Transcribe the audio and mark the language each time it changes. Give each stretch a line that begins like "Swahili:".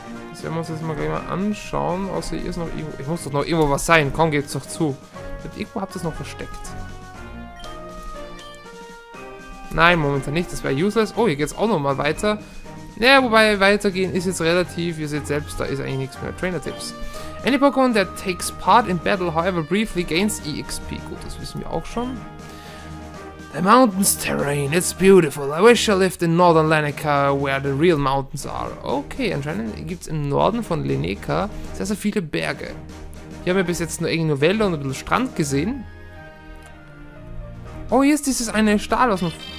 German: Das werden wir uns jetzt mal gleich mal anschauen. Außer hier ist noch irgendwo... Ich muss doch noch irgendwo was sein. Komm, geht's doch zu. Mit irgendwo habt ihr es noch versteckt. Nein, momentan nicht. Das wäre useless. Oh, hier geht's auch noch mal weiter. Naja, wobei weitergehen ist jetzt relativ. Ihr seht selbst, da ist eigentlich nichts mehr. Trainer-Tipps.
English: Any Pokémon that takes part in battle, however briefly, gains EXP.
German: Gut, das wissen wir auch schon.
English: The mountains terrain, it's beautiful. I wish I lived in northern Lenica, where the real mountains are.
German: Okay, anscheinend gibt es im Norden von Lenica sehr, sehr viele Berge. Hier haben wir bis jetzt nur irgendwo Wälder und ein bisschen Strand gesehen. Oh, hier ist dieses eine Stahl aus dem...